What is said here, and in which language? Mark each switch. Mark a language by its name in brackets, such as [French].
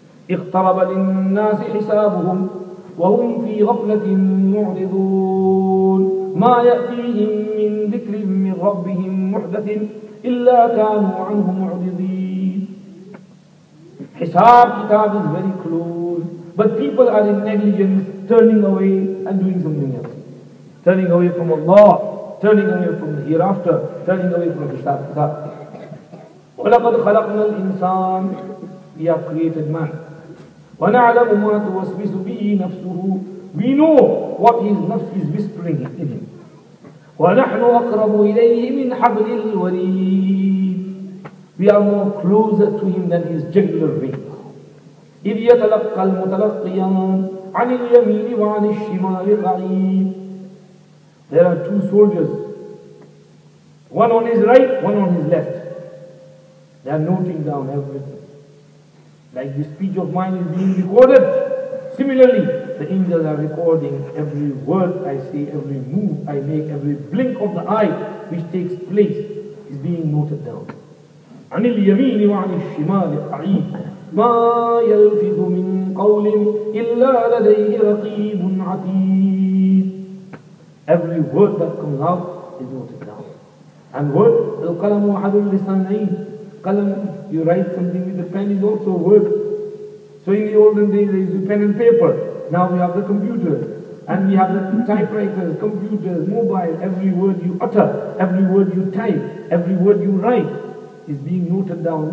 [Arabic] اقترب للناس حسابهم وهم في غفلة معرضون ما يأتيهم من ذكر من ربهم محدث إلا كانوا عنه معرضين. حساب كتاب [English] is very close, but people are in negligence, turning away and doing something else. Turning away from Allah, turning away from the hereafter, turning away from the hisab. [Arabic] وَلَقَدْ خَلَقْنَا الْإِنسَانِ. [English] We have created man. [Arabic] وَنَعْلَمُ مَا تُوَسْوِسُ بِهِ نَفْسُهُ. [English] We know what his nafs is whispering in him. [Arabic] وَنَحْنُ أَقْرَبُ إِلَيْهِ مِنْ حَبْلِ الْوَرِيدِ. [English] We are more closer to him than his jugular ring. [Arabic] إِذْ يَتَلَقَّى الْمُتَلَقِّيَانِ عَنِ الْيَمِينِ وَعَنِ الشِّمَالِ الْقَعِيدِ. [English] There are two soldiers, one on his right, one on his left. They are noting down everything. Like the speech of mine is being recorded. Similarly, the angels are recording every word I say, every move I make, every blink of the eye which takes place is being noted down. [Arabic] عَنِ الْيَمِينِ وَعَنِ الشِّمَالِ الْقَعِيدِ. ما يلفظ من قول إلا لديه رقيب عتيد. [English] Every word that comes out is noted down. And word, [Arabic] القلم وحد لسانعين. [English] قلم, you write something with a pen, is also word. So in the olden days there is a pen and paper. Now we have the computer. And we have the typewriters, computers, mobile. Every word you utter, every word you type, every word you write is being noted down.